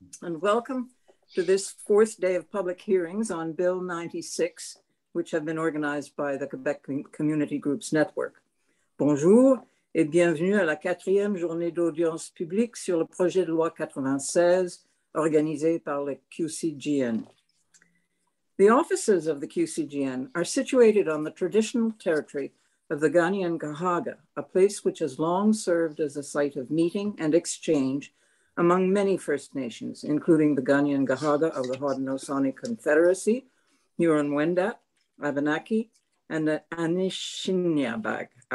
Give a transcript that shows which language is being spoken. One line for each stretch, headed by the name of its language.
English: And welcome to this fourth day of public hearings on Bill 96, which have been organized by the Quebec Community Groups Network.
French: Bonjour et bienvenue à la quatrième journée d'audience publique sur le projet de loi 96 organisé par le QCGN.
English: The offices of the QCGN are situated on the traditional territory of the Ghanaian Kahaga, a place which has long served as a site of meeting and exchange among many First Nations, including the Ghanaian Kahaga of the Haudenosaunee Confederacy, Huron-Wendat, Abenaki, and the Anishinaabeg,